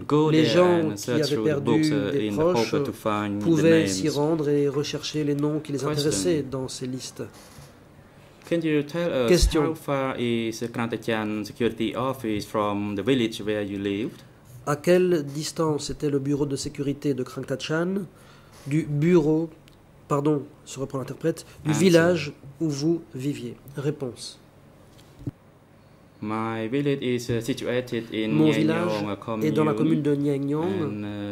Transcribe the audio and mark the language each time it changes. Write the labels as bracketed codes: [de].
[fr] Les gens qui avaient perdu des proches pouvaient s'y rendre et rechercher les noms qui les intéressaient dans ces listes. [en] Can you tell us question. How far is the Krantachan security office from the village where you lived? [fr] À quelle distance était le bureau de sécurité de Krantachan du bureau, pardon, se reprend l'interprète, du village où vous viviez? Réponse. [en] My village is situated in [fr] Mon village est dans la commune de Nyanyong.